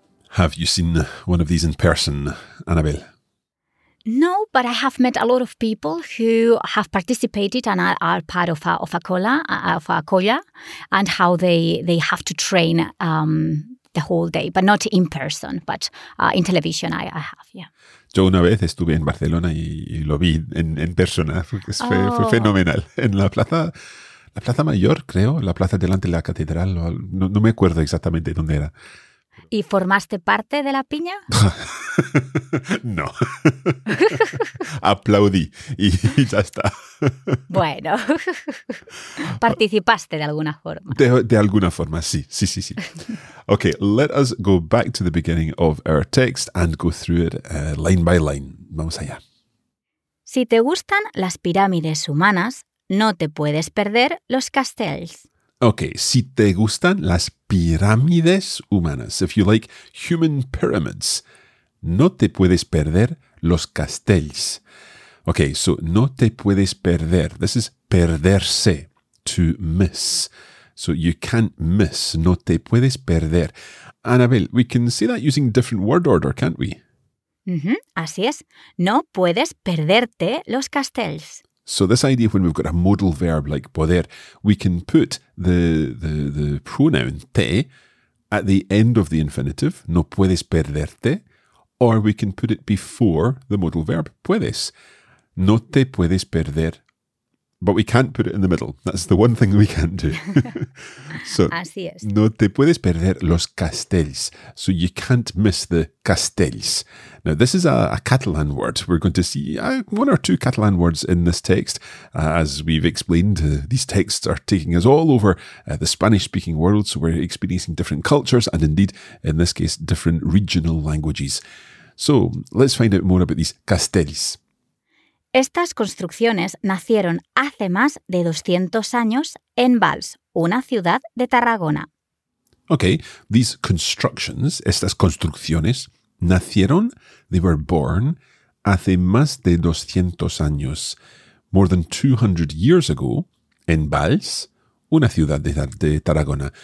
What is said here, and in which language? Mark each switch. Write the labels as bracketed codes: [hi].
[en] Have you seen one of these in person, Anabel? No, but I have met a lot of people who have participated and are part of a colla, and how they have to train the whole day, but not in person, but in television. I have, yeah. [es] Yo una vez estuve en Barcelona y lo vi en persona. Fue fenomenal en la plaza mayor, creo, la plaza delante de la catedral. No me acuerdo exactamente dónde era. ¿Y formaste parte de la piña? No. Aplaudí y ya está. Bueno, participaste de alguna forma. De alguna forma, sí. Sí, sí, sí. [en] Okay, let us go back to the beginning of our text and go through it line by line. [es] Vamos allá. Si te gustan las pirámides humanas, no te puedes perder los castells. Okay, si te gustan las pirámides humanas, [en] if you like human pyramids, [es] no te puedes perder los castells. Okay, so no te puedes perder. [en] This is perderse, to miss. So you can't miss, [es] no te puedes perder. [en] Annabelle, we can say that using different word order, can't we? [es] Mm-hmm, así es. No puedes perderte los castells. [en] So this idea when we've got a modal verb like poder, we can put the pronoun te at the end of the infinitive, [es] no puedes perderte, [en] or we can put it before the modal verb, puedes. [es] No te puedes perder. [en] But we can't put it in the middle. That's the one thing we can't do. [es] So, así es. No te puedes perder los castells. [en] So you can't miss the castells. Now, this is a Catalan word. We're going to see one or two Catalan words in this text. As we've explained, these texts are taking us all over the Spanish-speaking world. So we're experiencing different cultures and indeed, in this case, different regional languages. So let's find out more about these castells. [es] Estas construcciones nacieron hace más de 200 años en Valls, una ciudad de Tarragona. Okay, [en] these constructions, [es] estas construcciones, nacieron, [en] they were born, [es] hace más de 200 años, [en] more than 200 years ago, [es] en Valls, una ciudad de Tarragona.